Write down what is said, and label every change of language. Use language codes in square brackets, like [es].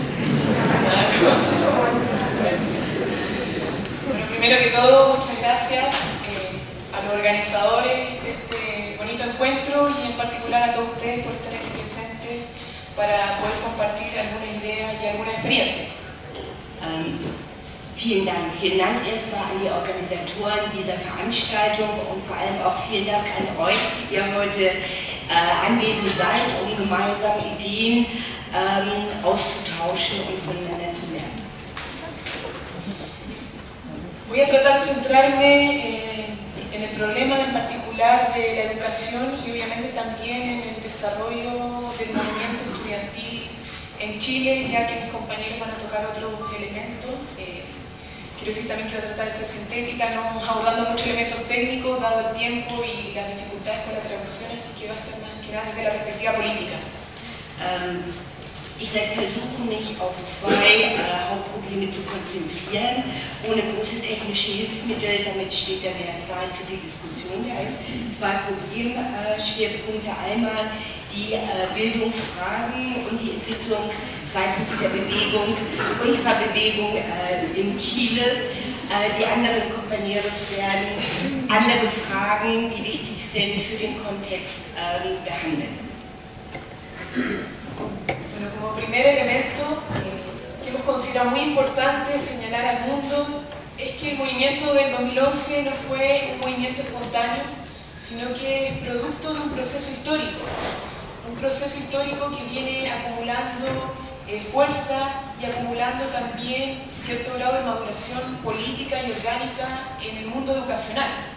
[es] Bueno, primero que todo, muchas gracias a los organizadores de este bonito encuentro y en particular a todos ustedes por estar aquí presentes para poder compartir algunas ideas y algunas experiencias. [de] Vielen Dank. Vielen Dank erstmal an die Organisatoren dieser Veranstaltung und vor allem auch vielen Dank an euch, die ihr heute anwesend seid, um gemeinsam Ideen auszutauschen und voneinander zu lernen. [es] Voy a tratar de centrarme en el problema en particular de la educación y obviamente también en el desarrollo del movimiento estudiantil en Chile, ya que mis compañeros van a tocar otros elementos. Quiero decir también que voy a tratar de ser sintética, no abordando muchos elementos técnicos, dado el tiempo y las dificultades con la traducción, así que va a ser más que nada desde la perspectiva política. [de] Ich werde versuchen, mich auf zwei Hauptprobleme zu konzentrieren, ohne große technische Hilfsmittel, damit später mehr Zeit für die Diskussion da ist. Zwei Problemschwerpunkte, einmal die Bildungsfragen und die Entwicklung, zweitens der Bewegung, unserer Bewegung in Chile. Die anderen Companeros werden andere Fragen, die wichtig sind für den Kontext, behandeln. [es] Bueno, como primer elemento que hemos considerado muy importante señalar al mundo es que el movimiento del 2011 no fue un movimiento espontáneo, sino que producto de un proceso histórico que viene acumulando fuerza y acumulando también cierto grado de maduración política y orgánica en el mundo educacional.